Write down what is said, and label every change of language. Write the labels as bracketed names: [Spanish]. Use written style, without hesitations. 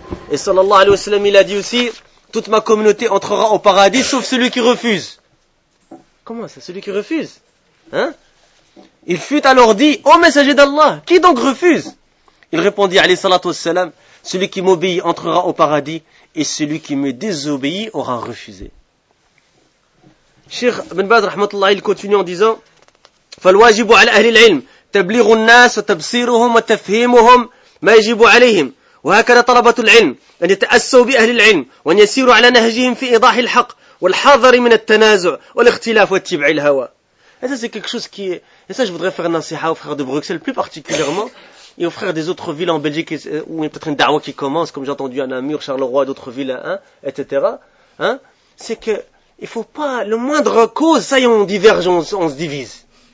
[French] Et sallallahu alayhi wa sallam, il a dit aussi, toute ma communauté entrera au paradis, sauf celui qui refuse. Comment ça, celui qui refuse? Hein? Il fut alors dit, ô messager d'Allah, qui donc refuse? Il répondit, alayhi salatu wassalam, celui qui m'obéit entrera au paradis et celui qui me désobéit aura refusé. Cheikh Ibn Baz, rahmatullah, il continue en disant, [Arabic] فالواجب على أهل العلم تبليغ الناس وتبصيرهم وتفهيمهم ما يجب عليهم وهكذا طلبة العلم أن يتأسوا بأهل العلم وأن يسيروا على نهجهم في إيضاح الحق والحذر من التنازع والاختلاف واتباع الهوى. [French] Et ça, c'est quelque chose qui est... Et ça, je voudrais faire un ansiha aux frères de Bruxelles, plus particulièrement, et aux frères des autres villes en Belgique, où il y a peut-être une da'wa qui commence, comme j'ai entendu à Namur, Charleroi, d'autres villes, hein, etc. Hein, c'est que, il faut pas, le moindre cause, ça y est, on diverge, on se divise.